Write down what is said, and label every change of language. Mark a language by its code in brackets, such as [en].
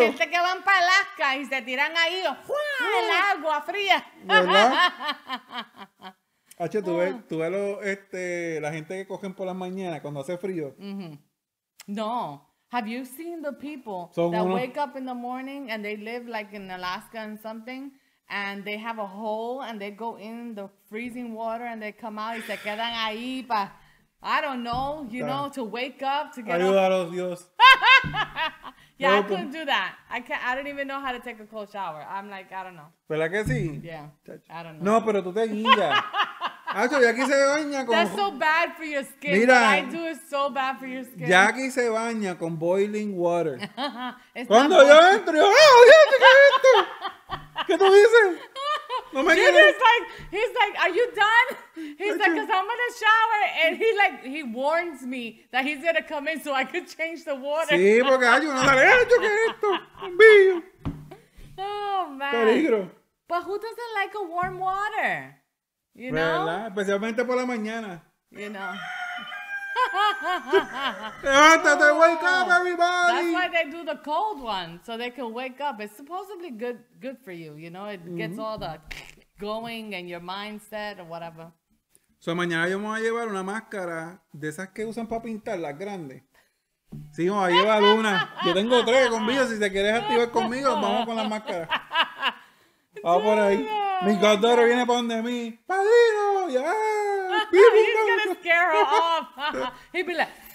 [es] La gente que van para Alaska y se tiran ahí. Oh, el agua fría. ¿Verdad? H, tú ves, la gente que cogen por las mañanas cuando hace frío. Mm-hmm. No. [en] Have you seen the people wake up in the morning and they live like in Alaska and something and they have a hole and they go in the freezing water and they come out [es] y se quedan ahí para, [en] I don't know, you know, to wake up, to get [es] ayúdalos, [en] up. [es] Ayúdalos, Dios. [en] Yeah, I couldn't do that. I don't even know how to take a cold shower. I'm like, I don't know. [es] ¿Verdad que sí? [en] Yeah. I don't know. [es] No, pero tú te guías. Acho, Jackie se baña con... [en] That's so bad for your skin. Mira, what I do is so bad for your skin. [es] Jackie se baña con [en] boiling water. [es] Cuando yo entro, yo, ¡oh, Dios, qué es esto! ¿Qué tú dices? No me quieres. [en] He's like, are you done? He's like, because I'm gonna shower. And he warns me that he's gonna come in so I could change the water. [es] Sí, porque hay uno sale, ¡oh, qué es esto! ¡Un bío! [en] Oh, man. [es] Peligro. [en] But who doesn't like a warm water? You know? [es] ¿Verdad? Especialmente por la mañana. [en] You know. Levántate, wake up, everybody. That's why they do the cold one, so they can wake up. It's supposedly good for you, you know? It gets all the going and your mindset or whatever. [es] So mañana yo me voy a llevar una máscara de esas que usan para pintar, las grandes. Sí, me voy a llevar una. Yo tengo tres conmigo. Si te quieres activar conmigo, vamos con la máscara. Vamos por ahí. Mi cordero viene para donde mí. ¡Padrino! ¡Ya! [en] Yeah. He's going to scare her off. He'd be like...